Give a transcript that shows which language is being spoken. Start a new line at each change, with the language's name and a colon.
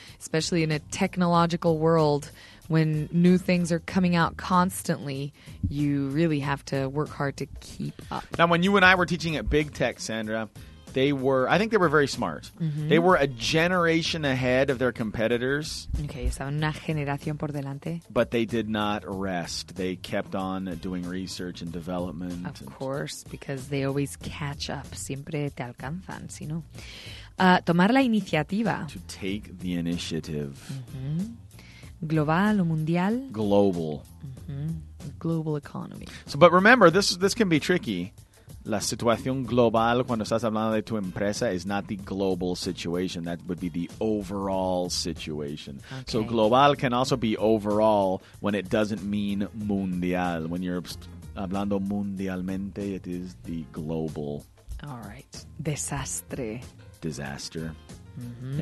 English: Especially in a technological world. When new things are coming out constantly, you really have to work hard to keep up. Now, when you and I were teaching at Big Tech, Sandra, I think they were very smart. Mm-hmm. They were a generation ahead of their competitors.
Spanish: Okay, estaban una generación por delante.
English: But they did not rest. They kept on doing research and development. Of course, because they always catch up.
Spanish: Siempre te alcanzan, si no. Tomar la iniciativa.
English: To take the initiative.
Spanish: Mm-hmm. Global o mundial?
English: Global. Mm-hmm. Global economy. So, but remember, this can be tricky.
Spanish: La situación global cuando estás hablando de tu empresa
English: is not the global situation. That would be the overall situation. Okay. So global can also be overall when it doesn't mean mundial. When you're
Spanish: hablando mundialmente,
English: it is the global. All right.
Spanish: Desastre.
English: Disaster. Mm-hmm.